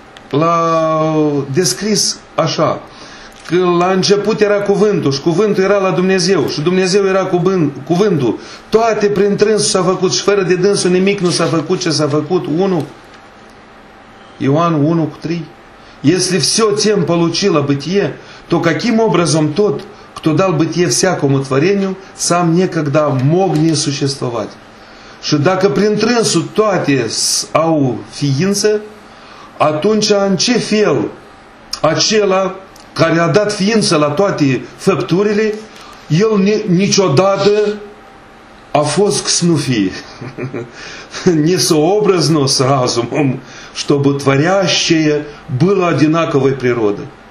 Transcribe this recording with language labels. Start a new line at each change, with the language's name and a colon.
Romanian: L-a descris așa, că la început era cuvântul și cuvântul era la Dumnezeu și Dumnezeu era cuvântul. Toate prin trânsul s-a făcut și fără de dânsul nimic nu s-a făcut ce s-a făcut. 1 Ioan 1:3.
Russian: Если все тем получило бытие, то каким образом тот, кто дал бытие всякому творению, сам некогда мог не существовать?
Romanian: Și dacă prin trânsul toate au ființă, atunci, în ce fel acela care a dat ființă la toate făpturile, el niciodată a fost că să nu fie.
Russian: Не сообразно с разумом, чтобы творящее было одинаковой природы.